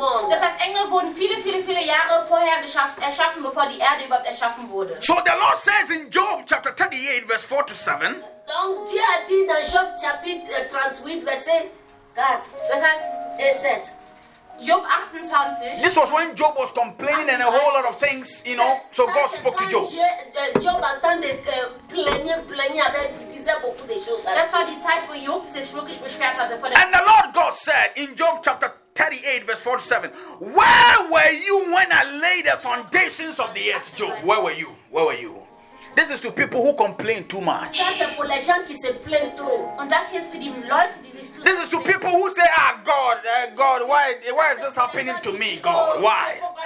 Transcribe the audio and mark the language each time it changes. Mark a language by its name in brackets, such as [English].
[German] Das heißt, Engel wurden viele, viele, viele Jahre vorher erschaffen, bevor die Erde überhaupt erschaffen wurde. [English] So the Lord says in Job chapter 38, verse 4 to 7. [French] Donc Dieu a dit dans Job chapitre 38, verset 4. [German] Das heißt, Job 28. [English] This was when Job was complaining and a whole lot of things, you know. So God spoke to Job. [French] Job entendait plaigner avec. [German] Das war die Zeit, wo Job sich wirklich beschwert hatte von der. [English] And the Lord God said in Job chapter 38 verse 47, where were you when I laid the foundations of the earth, Job? Where were you? This is to people who complain too much. [German] Das ist für die Leute, die sich. [English] This is to people who say, Ah, God, why is this happening to me, God? Why?